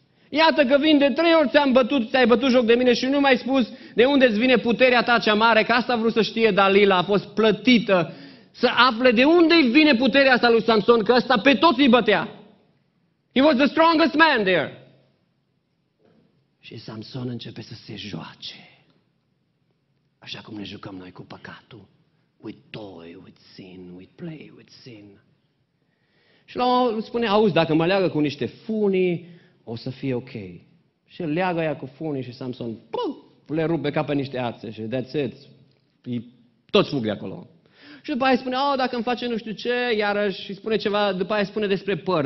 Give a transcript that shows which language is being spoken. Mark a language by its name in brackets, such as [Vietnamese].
[Romanian] Iată că vin de 3 ori, ți-ai bătut joc de mine și nu mi-ai spus de unde îți vine puterea ta cea mare, că asta a vrut să știe Dalila, a fost plătită să afle de unde îi vine puterea asta lui Samson, că ăsta pe toți îi bătea. [English] He was the strongest man there. [Romanian] Și Samson începe să se joace. Așa cum ne jucăm noi cu păcatul. [English] With toy, with sin, with play, with sin. [Romanian] Și la un moment dat spune, auzi, dacă mă leagă cu niște funii, o să fie ok. Și îl leagă ea cu funii și Samson le rupe ca pe niște ațe și [English] that's it. [Romanian] Toți fug de acolo. Și după aia spune, oh, dacă îmi face nu știu ce, iarăși îi spune ceva, după aia spune despre păr.